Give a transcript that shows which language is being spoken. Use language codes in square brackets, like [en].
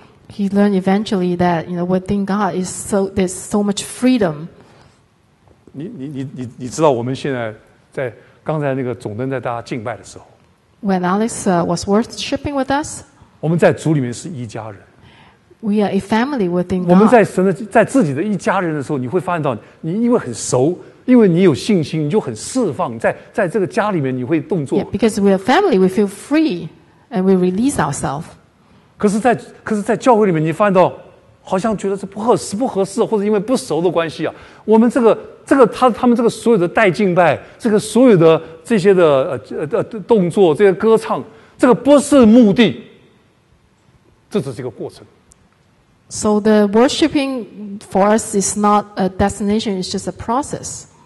[en] He learned eventually that you know within God is so there's so much freedom. [zh] 你知道我们现在在刚才那个总灯在大家敬拜的时候 [en] ，When Alex was worshiping with us. [zh] 我们在主里面是一家人。 [en] We are a family within God. [zh] 我们在神的在自己的一家人的时候，你会发现到你因为很熟，因为你有信心，你就很释放，在这个家里面你会动作。 [en] Yeah, because we are family, we feel free and we release ourselves. [zh] 可是在教会里面，你发现到好像觉得是不合适，或者因为不熟的关系啊，我们这个他们这个所有的带敬拜，这个所有的这些的动作，这些歌唱，这个不是目的，这只是一个过程。 [en] So the worshiping for us is not a destination; it's just a process.